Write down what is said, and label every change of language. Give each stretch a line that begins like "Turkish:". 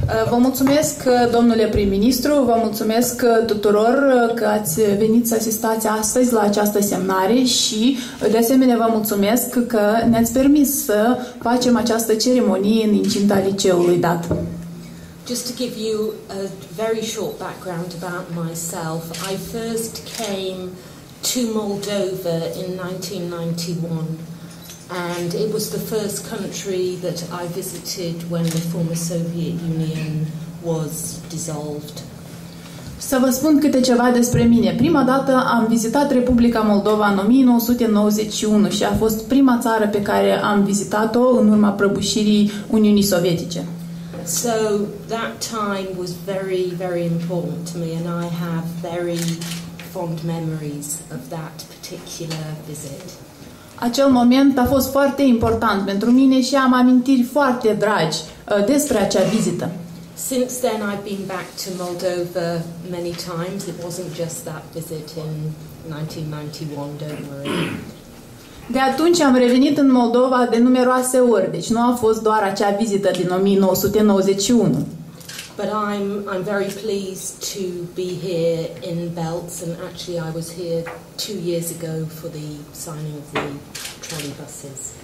Romanian: Vă mulțumesc, domnule prim-ministru, vă mulțumesc tuturor că ați venit să asistați astăzi la această semnare și, de asemenea, vă mulțumesc că ne-ați permis să facem această ceremonie în incinta liceului dat.
English: Just to give you a very short background about myself, I first came to Moldova in 1991. And it was the first country that I visited when the former Soviet Union was dissolved.
Romanian: Să vă spun câte ceva despre mine. Prima dată am vizitat Republica Moldova în 1991 și a fost prima țară pe care am vizitat-o în urma prăbușirii Uniunii Sovietice.
English: So that time was very, very important to me and I have very fond memories of that particular visit.
Romanian: Acel moment a fost foarte important pentru mine și am amintiri foarte dragi despre acea vizită.
English: Since then I've been back to Moldova many times. It wasn't just that visit in 1991, don't worry.
Romanian: De atunci am revenit în Moldova de numeroase ori, deci nu a fost doar acea vizită din 1991.
English: But I'm very pleased to be here in Belts, and actually I was here 2 years ago for the signing of the trolley buses.